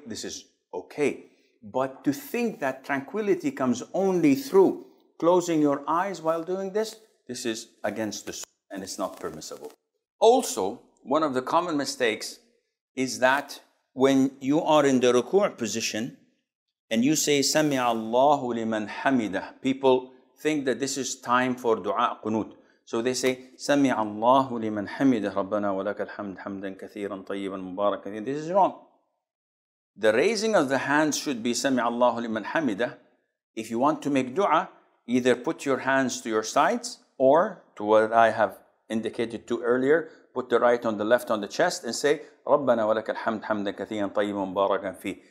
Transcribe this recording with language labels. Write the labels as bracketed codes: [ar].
[en] This is okay. But to think that tranquility comes only through closing your eyes while doing this, this is against the sunnah and it's not permissible. Also, one of the common mistakes is that when you are in the ruku' position and you say, [ar] Sami'a Allahu liman hamidah, [en] people think that this is time for dua qunut. So they say, [ar] سَمِعَ اللَّهُ لِمَنْ حَمِدَ رَبَّنَا وَلَكَ الْحَمْدِ حَمْدًا كَثِيرًا طَيِّبًا مُبَارَكًا. [en] This is wrong. The raising of the hands should be [ar] سَمِعَ اللَّهُ لِمَنْ حَمِدَ. [en] If you want to make dua, either put your hands to your sides or to what I have indicated to earlier, put the right on the left on the chest and say, [ar] رَبَّنَا وَلَكَ الْحَمْدِ حَمْدًا كَثِيرًا طَيِّبًا مُبَارَكًا فِي.